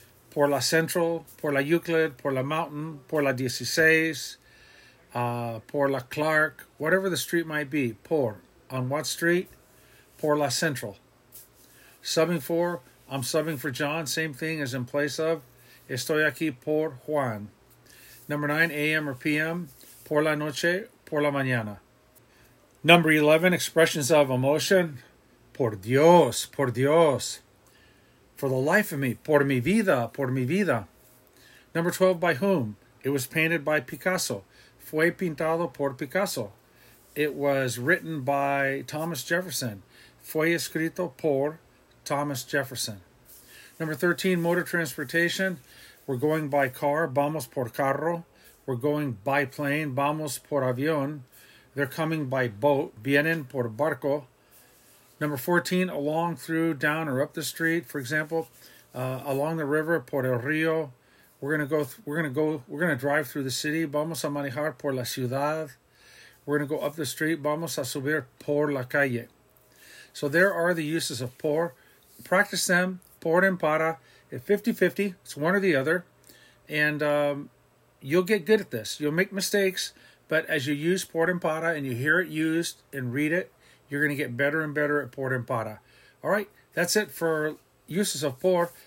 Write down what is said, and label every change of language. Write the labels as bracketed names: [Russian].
[Spanish] Por la Central, por la Euclid, por la Mountain, por la 16, por la Clark, [English] whatever the street might be. Por, on what street? [Spanish] Por la Central. [English] Subbing for, I'm subbing for John, same thing as in place of. [Spanish] Estoy aquí por Juan. [English] Number 9, a.m. or p.m., [Spanish] por la noche, por la mañana. [English] Number 11, expressions of emotion. [Spanish] Por Dios, [English] for the life of me, [Spanish] por mi vida. [English] Number 12, by whom? It was painted by Picasso. [Spanish] Fue pintado por Picasso. [English] It was written by Thomas Jefferson. [Spanish] Fue escrito por Thomas Jefferson. [English] Number 13, motor transportation. We're going by car, [Spanish] vamos por carro. [English] We're going by plane, [Spanish] vamos por avión. [English] They're coming by boat, [Spanish] vienen por barco. [English] Number 14, along, through, down, or up the street. For example, along the river, [Spanish] por el río. [English] We're gonna drive through the city. [Spanish] Vamos a manejar por la ciudad. [English] We're gonna go up the street. [Spanish] Vamos a subir por la calle. [English] So there are the uses of por. Practice them. Por and para. It's 50-50. It's one or the other. And you'll get good at this. You'll make mistakes. But as you use por and para and you hear it used and read it, you're going to get better and better at por and para. All right, that's it for uses of por.